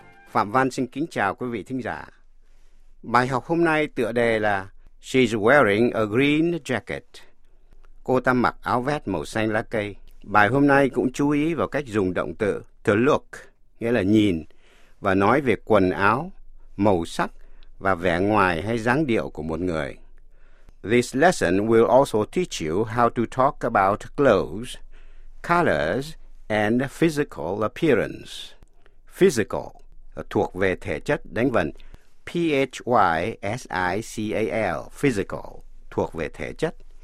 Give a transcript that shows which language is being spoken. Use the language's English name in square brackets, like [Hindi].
[Vietnamese] Phạm Văn xin kính chào quý vị thính giả. Bài học hôm nay tựa đề là [English] She's wearing a green jacket. [Vietnamese] Cô ta mặc áo vest màu xanh lá cây. Bài hôm nay cũng chú ý vào cách dùng động từ to look, nghĩa là nhìn, và nói về quần áo, màu sắc và vẻ ngoài hay dáng điệu của một người. [English] This lesson will also teach you how to talk about clothes, colors, and physical appearance. [Vietnamese] Physical thuộc về thể chất, đánh vần. P-H-Y-S-I-C-A-L, physical, thuộc về thể chất.